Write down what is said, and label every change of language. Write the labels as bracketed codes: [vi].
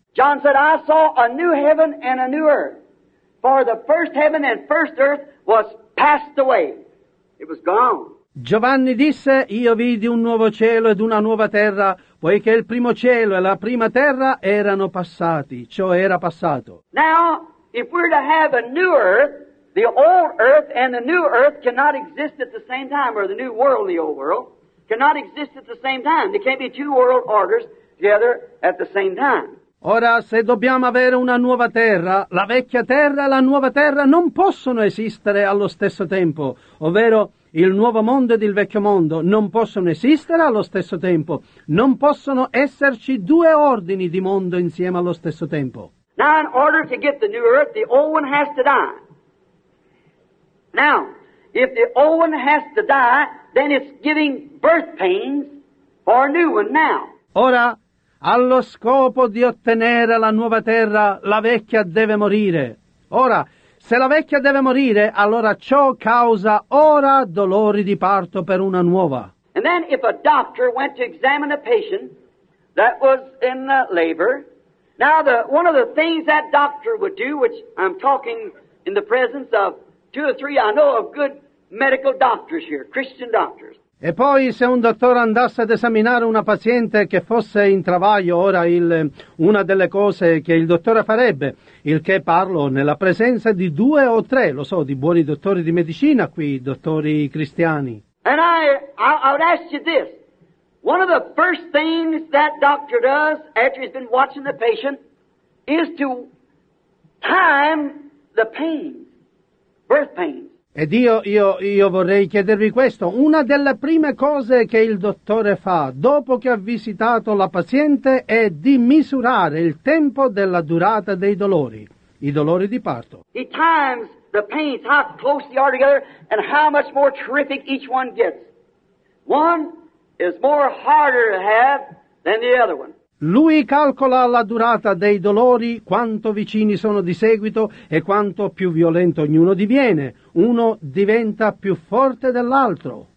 [en] John said, I saw a new heaven and a new earth, for the first heaven and first earth was passed away. It was gone. [it] Giovanni disse, io vidi un nuovo cielo ed una nuova terra, poiché il primo cielo e la prima terra erano passati. Ciò era passato. [en] Now, if we're to have a new earth, the old earth and the new earth cannot exist at the same time, or the new world and the old world cannot exist at the same time. There can't be two world orders together at the same time. [it] Ora, se dobbiamo avere una nuova terra, la vecchia terra e la nuova terra non possono esistere allo stesso tempo, ovvero il nuovo mondo ed il vecchio mondo non possono esistere allo stesso tempo, non possono esserci due ordini di mondo insieme allo stesso tempo. [en] Now, in order to get the new earth, the old one has to die. Now, if the old one has to die, then it's giving birth pains for a new one now. [it] Ora, allo scopo di ottenere la nuova terra, la vecchia deve morire. Ora, se la vecchia deve morire, allora ciò causa ora dolori di parto per una nuova. [en] And then if a doctor went to examine a patient that was in labor, now, one of the things that doctor would do, which I'm talking in the presence of two or three, I know of good medical doctors here, Christian doctors. [it] E poi, se un dottore andasse ad esaminare una paziente che fosse in travaglio, ora una delle cose che il dottore farebbe, il che parlo nella presenza di due o tre, lo so, di buoni dottori di medicina qui, dottori cristiani. [en] And I would ask you this. One of the first things that doctor does after he's been watching the patient is to time the pain, birth pain. [it] Ed io vorrei chiedervi questo. Una delle prime cose che il dottore fa dopo che ha visitato la paziente è di misurare il tempo della durata dei dolori, i dolori di parto. [en] He times the pains, how close they are together and how much more terrific each one gets. One is more harder to have than the other one. [it] Lui calcola la durata dei dolori, quanto vicini sono di seguito e quanto più violento ognuno diviene. Uno diventa più forte dell'altro.